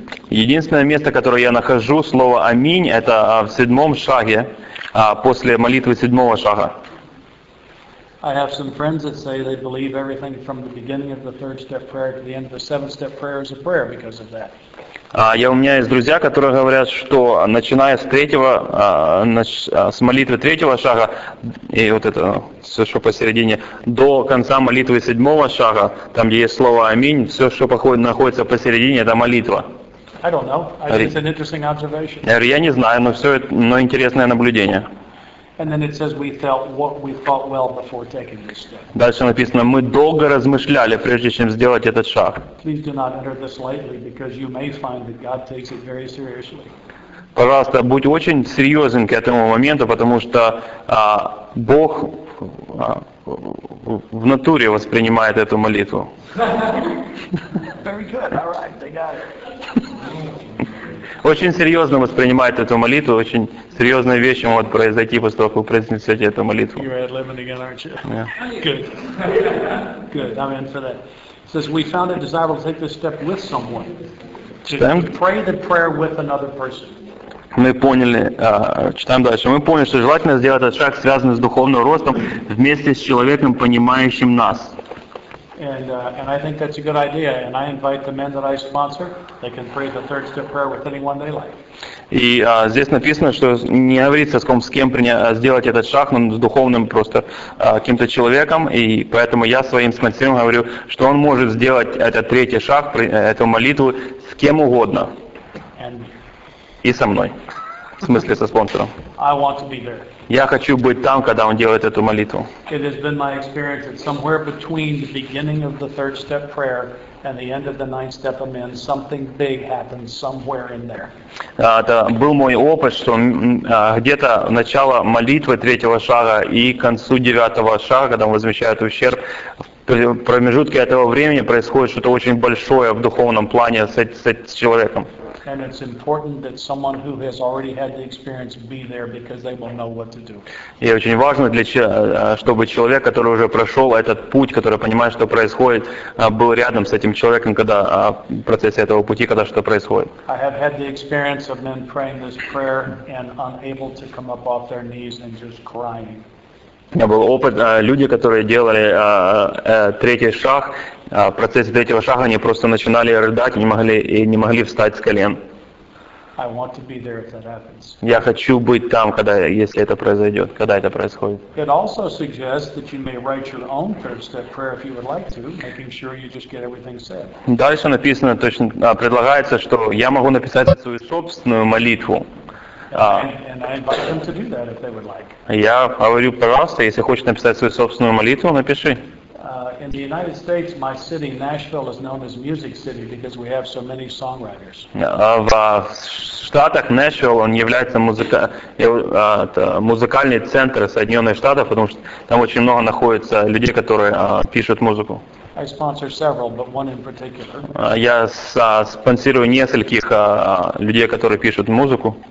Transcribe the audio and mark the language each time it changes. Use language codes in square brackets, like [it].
[ru] Единственное место, которое я нахожу, слово «аминь», это в седьмом шаге, после молитвы седьмого шага. [en] I have some friends that say they believe everything from the beginning of the third step prayer to the end of the seventh step prayer is a prayer because of that. [ru] У меня есть друзья, которые говорят, что начиная с третьего, с молитвы третьего шага и вот это все, что посередине, до конца молитвы седьмого шага, там где есть слово аминь, все, что находится посередине, это молитва. [en] I don't know. I think it's an interesting observation. [ru] Я не знаю, но все это, но интересное наблюдение. [en] And then it says we felt what we thought well before taking this step. [ru] Дальше написано, мы долго размышляли, прежде чем сделать этот шаг. [en] Please do not enter this lightly, because you may find that God takes it very seriously. [ru] Пожалуйста, будь очень серьезен к этому моменту, потому что Бог в натуре воспринимает эту молитву. [en] Very good. All right, they got it. [ru] Очень серьезно воспринимает эту молитву, очень серьезные вещи могут произойти после того, как вы произнесете эту молитву. [en] You're at Lemon again, aren't you? Yeah. Good. Good. I'm in for that. It says we found it desirable to take this step with someone. [ru] Читаем? [en] To pray the prayer with another person. [ru] Мы поняли, читаем дальше. Мы поняли, что желательно сделать этот шаг, связанный с духовным ростом, вместе с человеком, понимающим нас. [en] And I think that's a good idea. And I invite the men that I sponsor, they can pray the third step prayer with anyone they like. [ru] И здесь написано, что не говорится, с кем сделать этот шаг, но с духовным просто каким-то человеком. И поэтому я своим спонсорам говорю, что он может сделать этот третий шаг, эту молитву с кем угодно. И со мной. В смысле, со спонсором. [en] I want to be there. [ru] Я хочу быть там, когда он делает эту молитву. [en] It has been my experience that somewhere between the beginning of the third step prayer and the end of the ninth step amen, something big happens somewhere in there. [ru] Это был мой опыт, что где-то начало молитвы третьего шага и концу девятого шага, когда он возмещает ущерб, в промежутке этого времени происходит что-то очень большое в духовном плане с человеком. [en] And it's important that someone who has already had the experience be there because they will know what to do. [ru] И очень важно для чтобы человек, который уже прошел этот путь, который понимает, что происходит, был рядом с этим человеком, когда в процессе этого пути, когда что происходит. [en] I have had the experience of men praying this prayer and unable to come up off their knees and just crying. [ru] У меня был опыт, люди, которые делали третий шаг, в процессе третьего шага они просто начинали рыдать и не могли встать с колен. [en] I want to be there if that happens. [ru] Я хочу быть там, если это произойдет, когда это происходит. [en] It also suggests that you may write your own third step prayer if you would like to, making sure you just get everything said. [ru] Дальше написано, точно предлагается, что я могу написать свою собственную молитву. Я говорю, пожалуйста, если хочешь написать свою собственную молитву, напиши. [en] In the United States, my city, Nashville, is known as Music City because we have so many songwriters. [ru] В Штатах Нэшвилл, он является музыкальный центр Соединенных Штатов, потому что там очень много находится людей, которые пишут музыку. [en] I sponsor several, but one in particular. [ru] Я спонсирую нескольких людей, которые пишут музыку.